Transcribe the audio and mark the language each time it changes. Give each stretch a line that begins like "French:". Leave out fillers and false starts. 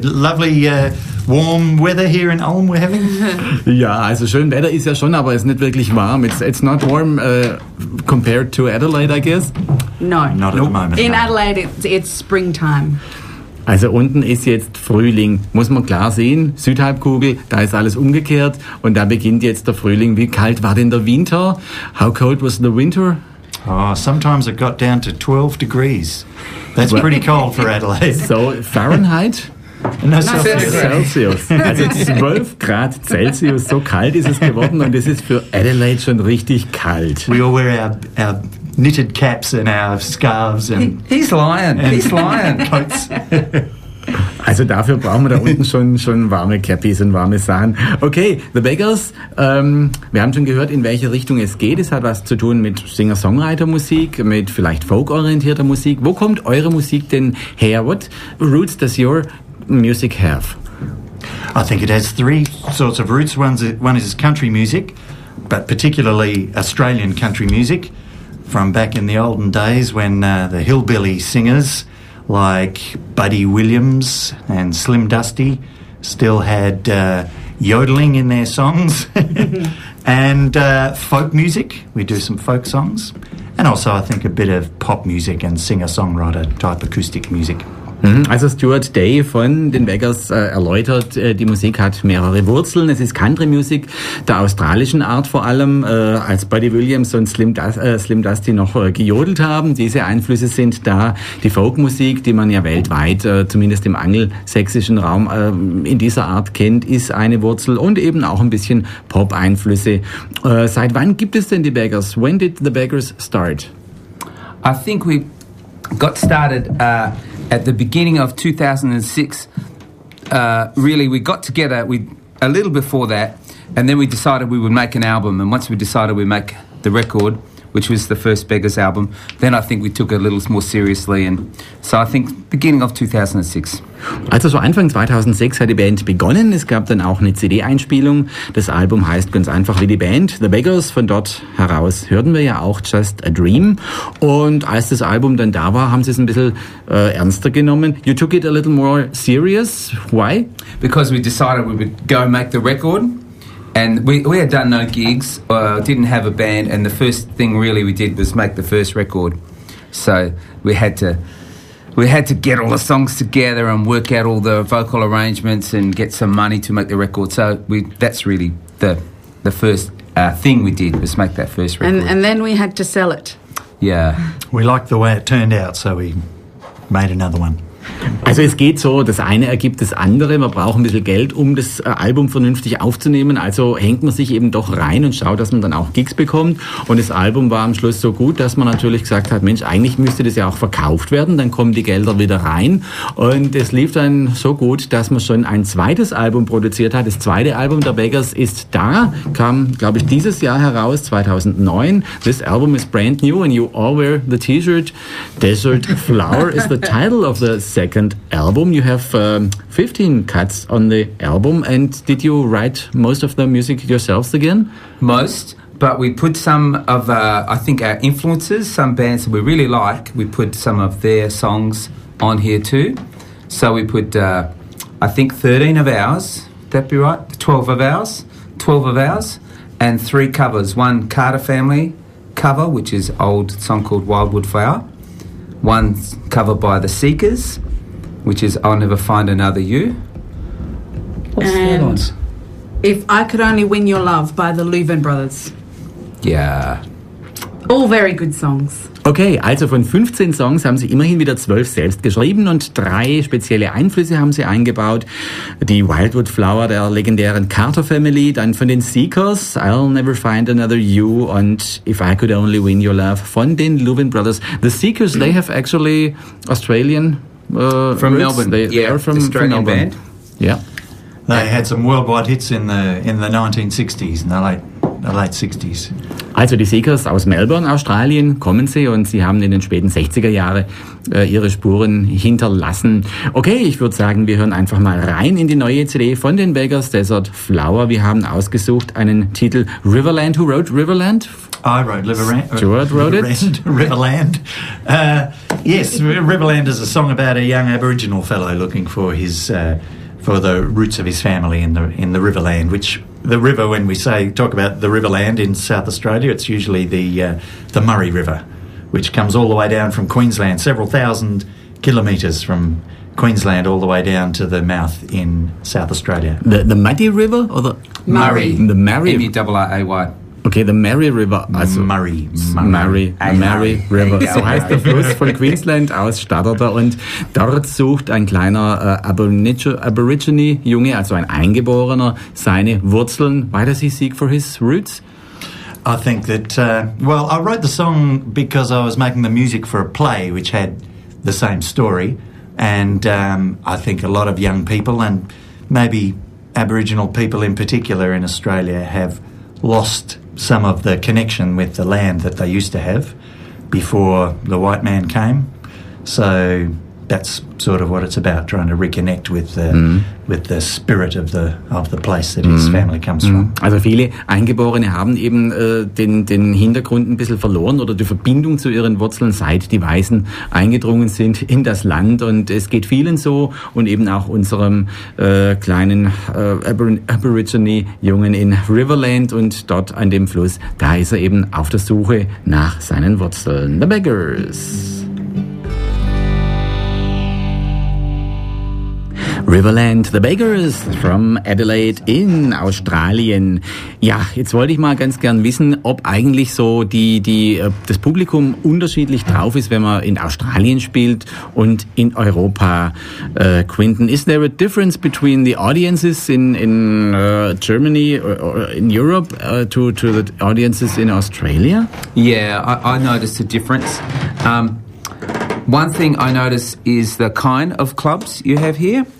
English: Lovely warm weather here in Ulm we're having.
German: Ja, also schön Wetter ist ja schon, aber es ist nicht wirklich warm.
English: It's not warm compared to Adelaide, I guess. No. Not at the moment. In Adelaide, it's springtime.
German: Also unten ist jetzt Frühling, muss man klar sehen, Südhalbkugel, da ist alles umgekehrt und da beginnt jetzt der Frühling. Wie kalt war denn der Winter?
English: How cold was the winter? Oh, sometimes it got down to 12 degrees. That's pretty cold for Adelaide. So Fahrenheit? No, Celsius. Celsius.
German: Also 12 Grad Celsius, so kalt ist es geworden und es ist für Adelaide schon richtig kalt.
English: We all wear our knitted caps and our scarves and he's lying. Coats.
German: Also dafür brauchen wir da unten schon warme Cappies und warme Sachen. Okay, The Beggars, wir haben schon gehört, in welche Richtung es geht. Es hat was zu tun mit Singer-Songwriter-Musik, mit vielleicht folk-orientierter Musik. Wo kommt eure Musik denn her?
English: What roots does your music have? I think it has 3 sorts of roots. One is country music, but particularly Australian country music from back in the olden days when the hillbilly singers like Buddy Williams and Slim Dusty still had yodeling in their songs. And folk music, we do some folk songs. And also I think a bit of pop music and singer-songwriter type acoustic music.
German: Also Stuart Day von den Beggars erläutert, die Musik hat mehrere Wurzeln. Es ist Country-Musik der australischen Art vor allem, als Buddy Williams und Slim Dusty noch gejodelt haben. Diese Einflüsse sind da die Folkmusik, die man ja weltweit, zumindest im angelsächsischen Raum, in dieser Art kennt, ist eine Wurzel und eben auch ein bisschen Pop-Einflüsse. Seit wann gibt es denn die Beggars?
English: When did the Beggars start?
German: I think we got started at the beginning of 2006, really, we got together a little before that, and then we decided we would make an album. And once we decided we'd make the record, which was the first Beggars album, then I think we took it a little more seriously. And so I think beginning of 2006. Also so Anfang 2006 hat die Band begonnen. Es gab dann auch eine CD-Einspielung. Das Album heißt ganz einfach wie die Band, The Beggars. Von dort heraus hörten wir ja auch Just a Dream. Und als das Album dann da war, haben sie es ein bisschen ernster genommen.
English: You took it a little more serious. Why? Because we decided we would go make the record. And we had done no gigs, didn't have a band. And the first thing really we did was make the first record. So we had to get all the songs together and work out all the vocal arrangements and get some money to make the record. So that's really the first thing we did was make that first record. And then we had to sell it. Yeah. We liked the way it turned out, so we made another one.
German: Also es geht so, das eine ergibt das andere. Man braucht ein bisschen Geld, um das Album vernünftig aufzunehmen. Also hängt man sich eben doch rein und schaut, dass man dann auch Gigs bekommt. Und das Album war am Schluss so gut, dass man natürlich gesagt hat, Mensch, eigentlich müsste das ja auch verkauft werden. Dann kommen die Gelder wieder rein. Und es lief dann so gut, dass man schon ein zweites Album produziert hat. Das zweite Album der Beggars ist da, kam, glaube ich, dieses Jahr heraus, 2009.
English: This album is brand new and you all wear the T-shirt. Desert Flower is the title of the second album. You have 15 cuts on the album, and did you write most of the music yourselves again? Most, but we put some of I think our influences, some bands we really like, we put some of their songs on here too. So we put I think 13 of ours, that'd be right, 12 of ours, and 3 covers. One Carter Family cover, which is an old song called Wildwood Flower. One cover by the Seekers, which is I'll Never Find Another You. What's and that on? If I Could Only Win Your Love by the Leuven Brothers. Yeah. All very good songs.
German: Okay, also von 15 Songs haben Sie immerhin wieder 12 selbst geschrieben und 3 spezielle Einflüsse haben Sie eingebaut. Die Wildwood Flower der legendären Carter Family, dann von den Seekers, I'll Never Find Another You und If I Could Only Win Your Love von den Leuven Brothers.
English: The Seekers, they have actually Australian from roots. Melbourne. They are from Australian band. Yeah. They had some worldwide hits in the 1960s and the late 60s.
German: Also die Seekers aus Melbourne, Australien, kommen sie und sie haben in den späten 60er Jahren ihre Spuren hinterlassen. Okay, ich würde sagen, wir hören einfach mal rein in die neue CD von den Beggars Desert Flower. Wir haben ausgesucht einen Titel Riverland.
English: Who wrote Riverland? I wrote Riverland. Stuart wrote it. Riverland. Yes, Riverland is a song about a young Aboriginal fellow looking for for the roots of his family in the Riverland, which the river, when we talk about the Riverland in South Australia, it's usually the Murray River, which comes all the way down from Queensland, several thousand kilometres from Queensland all the way down to the mouth in South Australia. The Muddy River or the Murray? The Murray. Murray. Okay, the Murray River. Also Murray. Murray River.
German: So heißt der Fluss von Queensland aus, stattet er. Und dort sucht ein kleiner Aborigine-Junge, also ein Eingeborener, seine Wurzeln.
English: Why does he seek for his roots? I think that, I wrote the song because I was making the music for a play which had the same story. And I think a lot of young people, and maybe Aboriginal people in particular in Australia, have lost some of the connection with the land that they used to have before the white man came. So that's sort of what it's about, trying to reconnect with the with the spirit of the place that his family comes from.
German: Also viele Eingeborene haben eben den Hintergrund ein bisschen verloren oder die Verbindung zu ihren Wurzeln, seit die Weißen eingedrungen sind in das Land. Und es geht vielen so und eben auch unserem kleinen Aborigine-Jungen in Riverland. Und dort an dem Fluss, da ist er eben auf der Suche nach seinen Wurzeln.
English: The Beggars. Riverland, The Beggars from Adelaide in Australien.
German: Ja, jetzt wollte ich mal ganz gern wissen, ob eigentlich so das Publikum unterschiedlich drauf ist, wenn man in Australien spielt und in Europa.
English: Quinton, is there a difference between the audiences in Germany or in Europe to the audiences in Australia? Yeah, I noticed a difference. One thing I notice is the kind of clubs you have here.